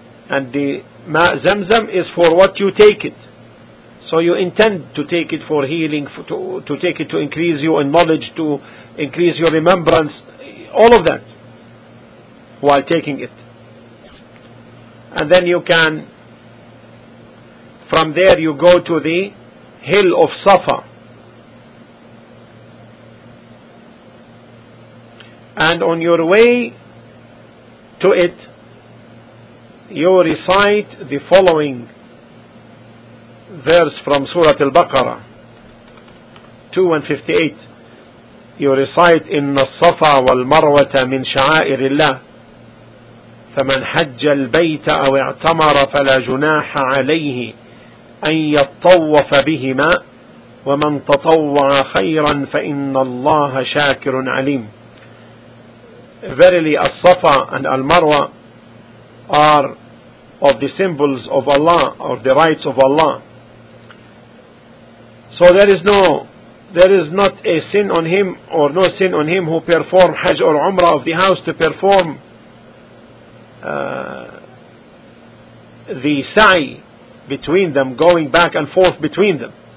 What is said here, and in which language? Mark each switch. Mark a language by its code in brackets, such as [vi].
[en] And the Zamzam is for what you take it. So you intend to take it for healing, to take it to increase your knowledge, to increase your remembrance, all of that while taking it. And then you can, from there you go to the hill of Safa. And on your way to it, you recite the following verse from Surah Al-Baqarah 2:58. You recite [ar] إِنَّ الصَّفَى وَالْمَرْوَةَ مِنْ شَعَائِرِ اللَّهِ فَمَنْ حَجَّ الْبَيْتَ أَوْ اَعْتَمَرَ فَلَا جُنَاحَ عَلَيْهِ أَنْ يَطَّوَّفَ بِهِمَا وَمَنْ تَطَوَّعَ خَيْرًا فَإِنَّ اللَّهَ شَاكِرٌ عَلِيمٌ. [en] Verily, الصَّفَى and Al-Marwa are of the symbols of Allah, or the rites of Allah. So there is not a sin on him, or no sin on him who perform Hajj or Umrah of the house, to perform the Sa'i between them, going back and forth between them.